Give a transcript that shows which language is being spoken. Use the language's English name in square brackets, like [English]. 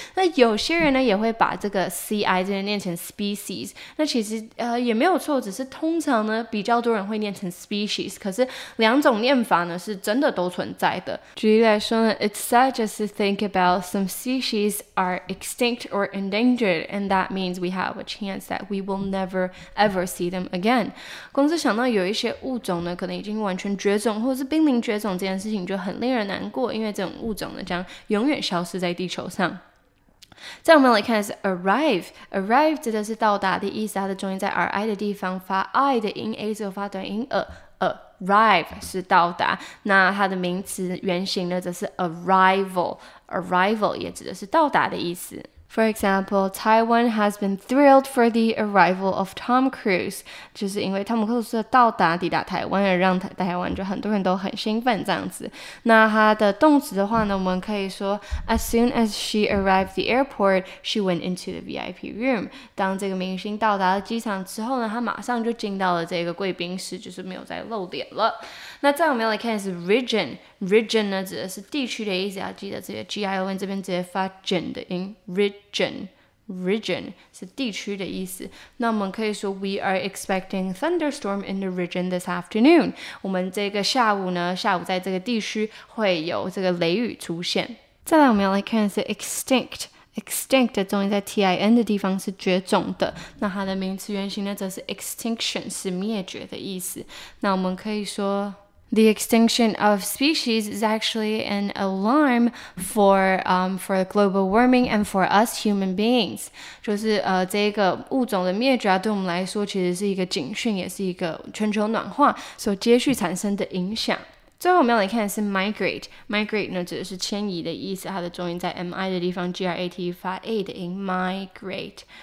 [Chinese] 那有些人呢也会把这个 ci 这边念成 species， 那其实也没有错，只是通常呢比较多人会念成 species， 可是两种念法呢是真的都存在的。举例来说呢， [English] it's sad just to think about some species are extinct or endangered and that means we have a chance that we will never ever see them again. [Chinese] 光是想到有一些物种呢可能已经完全绝种或是濒临绝种这件事情就很令人难过，因为这种物种呢将永远消失在地球上。再我们来看的是 arrive， arrive 指的是到达的意思，它的重音在 ri 的地方发 i 的音， a 就发短音 arrive 是到达，那它的名词原型呢则是 arrival， arrival 也指的是到达的意思。 [English] For example, Taiwan has been thrilled for the arrival of Tom Cruise. [Chinese] 就是因为汤姆·克鲁斯的到达抵达台湾而让台湾就很多人都很兴奋这样子。那他的动词的话呢，我们可以说 [English] As soon as she arrived the airport, she went into the VIP room. [Chinese] 当这个明星到达了机场之后呢，他马上就进到了这个贵宾室，就是没有再露脸了。那再我们来看的是 region。Region 呢指的是地区的意思，要记得这个 G-I-O-N 这边直接发 gen 的音 ，region。 Region 是地区的意思，那我们可以说 [English] We are expecting thunderstorm in the region this afternoon. [Chinese] 我们这个下午呢，下午在这个地区会有这个雷雨出现。再来，我们要来看的是 extinct。Extinct 的重音在 T-I-N 的地方是绝种的，那它的名词原型呢则是 extinction， 是灭绝的意思。那我们可以说。 [English] The extinction of species is actually an alarm for global warming and for us human beings. [Chinese] 就是这个物种的灭绝啊，对我们来说其实是一个警讯，也是一个全球暖化所接续产生的影响。最后我们要来看的是 migrate， migrate 呢指的是迁移的意思，它的重音在 mi 的地方 ，grate 发 a 的音 ，migrate。